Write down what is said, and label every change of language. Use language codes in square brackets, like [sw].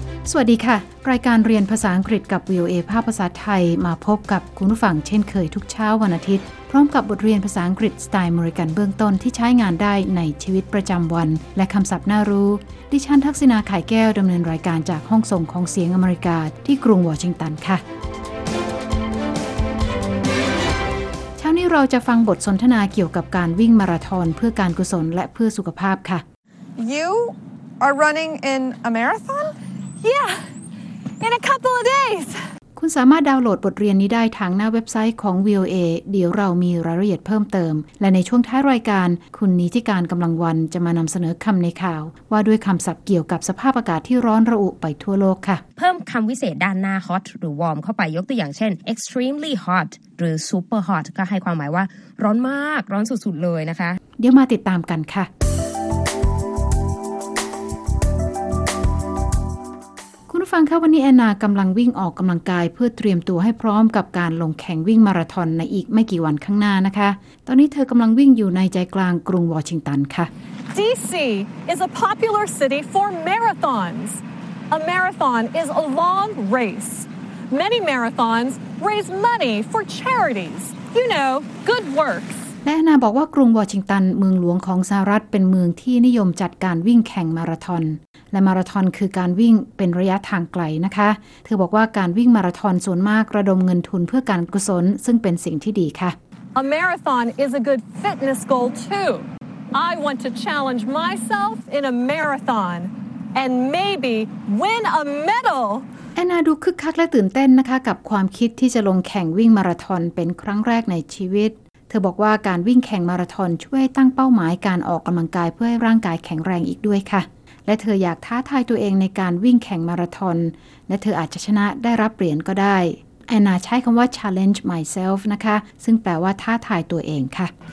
[th] สวัสดีค่ะรายการเรียนภาษาอังกฤษกับ VOA ภาคภาษาไทยมาพบกับคุณผู้ฟังเช่นเคยทุกเช้าวันอาทิตย์พร้อมกับบทเรียนภาษาอังกฤษสไตล์อเมริกันเบื้องต้นที่ใช้งานได้ในชีวิตประจำวันและคำศัพท์น่ารู้ดิฉันทักษิณาไข่แก้วดำเนินรายการจากห้องส่งของเสียงอเมริกาที่กรุงวอชิงตันค่ะนี่เราจะฟังบทสนทนาเกี่ยวกับการวิ่งมาราธอนเพื่อการกุศลและเพื่อสุขภาพค่ะ [en] You are running in a marathon? Yeah, in a couple of days. [th] คุณสามารถดาวน์โหลดบทเรียนนี้ได้ทางหน้าเว็บไซต์ของ VOA เดี๋ยวเรามีรายละเอียดเพิ่มเติมและในช่วงท้ายรายการคุณนิติการกำลังวันจะมานำเสนอคำในข่าวว่าด้วยคำศัพท์เกี่ยวกับสภาพอากาศที่ร้อนระอุไปทั่วโลกค่ะ เพิ่มคำวิเศษด้านหน้า hot หรือ warm เข้าไปยกตัวอย่างเช่น [en] extremely hot [th] หรือ [en] super hot [th] ก็ให้ความหมายว่าร้อนมากร้อนสุดๆเลยนะคะ เดี๋ยวมาติดตามกันค่ะฟังค่ะวันนี้แอนนากำลังวิ่งออกกำลังกายเพื่อเตรียมตัวให้พร้อมกับการลงแข่งวิ่งมาราธอนในอีกไม่กี่วันข้างหน้านะคะตอนนี้เธอกำลังวิ่งอยู่ในใจกลางกรุงวอชิงตันค่ะ [en] DC is a popular city for marathons. A marathon is a long race. Many marathons raise money for charities. You know, good works. [th] แอนนาบอกว่ากรุงวอชิงตันเมืองหลวงของสหรัฐเป็นเมืองที่นิยมจัดการวิ่งแข่งมาราธอนและมาราธอนคือการวิ่งเป็นระยะทางไกลนะคะเธอบอกว่าการวิ่งมาราธอนส่วนมากระดมเงินทุนเพื่อการกุศลซึ่งเป็นสิ่งที่ดีค่ะ [en] A marathon is a good fitness goal too. I want to challenge myself in a marathon and maybe win a medal. [th] แอนนาดูคึกคักและตื่นเต้นนะคะกับความคิดที่จะลงแข่งวิ่งมาราธอนเป็นครั้งแรกในชีวิตเธอบอกว่าการวิ่งแข่งมาราธอนช่วยตั้งเป้าหมายการออกกำลังกายเพื่อให้ร่างกายแข็งแรงอีกด้วยค่ะและเธออยากท้าทายตัวเองในการวิ่งแข่งมาราธอนและเธออาจจะชนะได้รับเหรียญก็ได้แอนนาใช้คำว่า [en] challenge myself [th] นะคะซึ่งแปลว่าท้าทายตัวเองค่ะ